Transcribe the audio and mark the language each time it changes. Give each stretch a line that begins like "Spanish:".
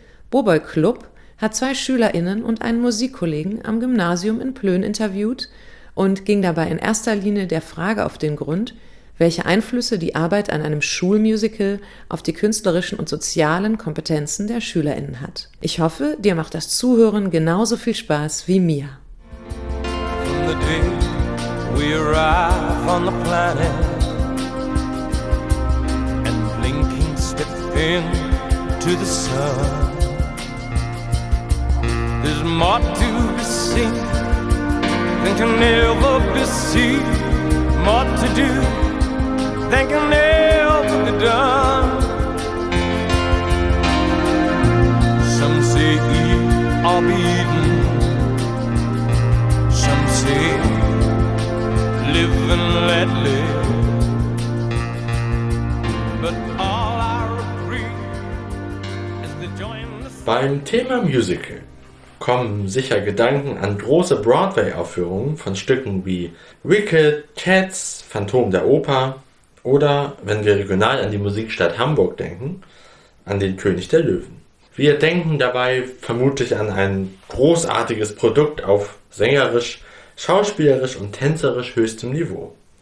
German: Boboi Club hat zwei SchülerInnen und einen Musikkollegen am Gymnasium in Plön interviewt und ging dabei in erster Linie der Frage auf den Grund, welche Einflüsse die Arbeit an einem Schulmusical auf die künstlerischen und sozialen Kompetenzen der SchülerInnen hat. Ich hoffe, dir macht das Zuhören genauso viel Spaß wie mir.
English: From the day we arrive on the planet and blinking step into the sun. There's more to be seen than can ever be seen. More to do than can ever be done. Some say eat or be eaten. Some say live and let live. But all I agree is to join the...
German: Beim Thema Musical kommen sicher Gedanken an große Broadway-Aufführungen von Stücken wie Wicked, Cats, Phantom der Oper oder, wenn wir regional an die Musikstadt Hamburg denken, an den König der Löwen. Wir denken dabei vermutlich an ein großartiges Produkt auf sängerisch, schauspielerisch und tänzerisch höchstem Niveau.